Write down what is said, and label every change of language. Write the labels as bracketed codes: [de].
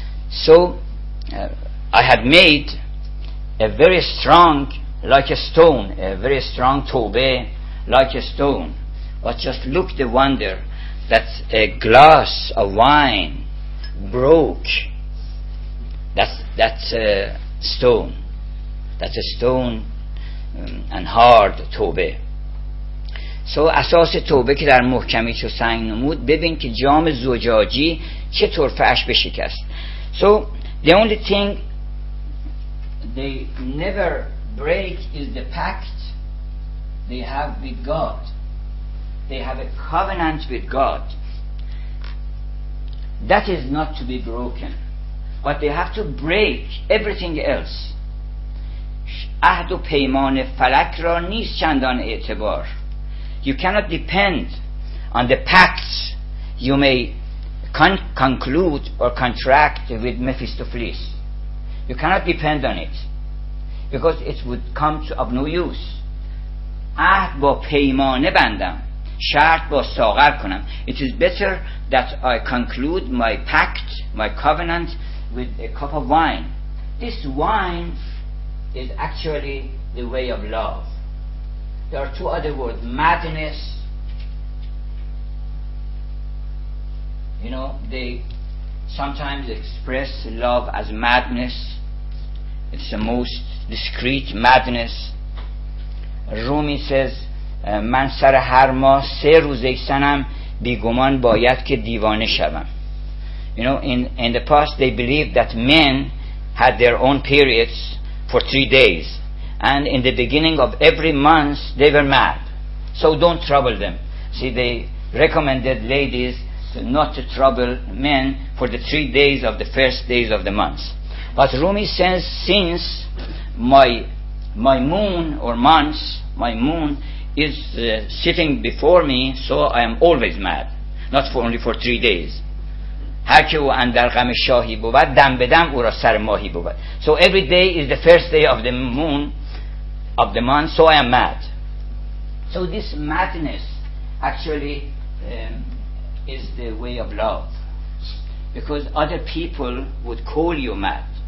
[en] So I had made a very strong, like a stone, a very strong tawbah, like a stone. But just look the wonder that a glass of wine broke. That's a stone. That's a stone and hard توبه. So [fa] اساس توبه که در محکمی چو سنگ نمود، ببین که جام زجاجی چطور فرش بشکست. [en] So the only thing they never break is the pact they have with God. They have a covenant with God. That is not to be broken. But they have to break everything else. [fa] عهد و پیمان فلک را نیست چندان اعتبار. [en] You cannot depend on the pacts you may conclude or contract with Mephistopheles. You cannot depend on it because it would come to of no use. [fa] عهد با پیمانه بندم، شرط با ساغر کنم. [en] It is better that I conclude my pact, my covenant with a cup of wine. This wine is actually the way of love. There are two other words, madness. You know, they sometimes express love as madness. It's the most discreet madness. Rumi says, [fa] من سر هر ماه سه روز ای سنم بیگمان باید که دیوانه شوم. [en] You know, in the past they believed that men had their own periods for 3 days, and in the beginning of every month they were mad. So don't trouble them. See, they recommended ladies to not to trouble men for the 3 days of the first days of the month. But Rumi says, since my moon or month, my moon is sitting before me, so I am always mad, not for only for 3 days. [fa] هر که او اندر غم شاهی بود دم به دم او را سر ماهی بود. [en] So every day is the first day of the moon of the month, so I am mad. So this madness actually is the way of love, because other people would call you mad.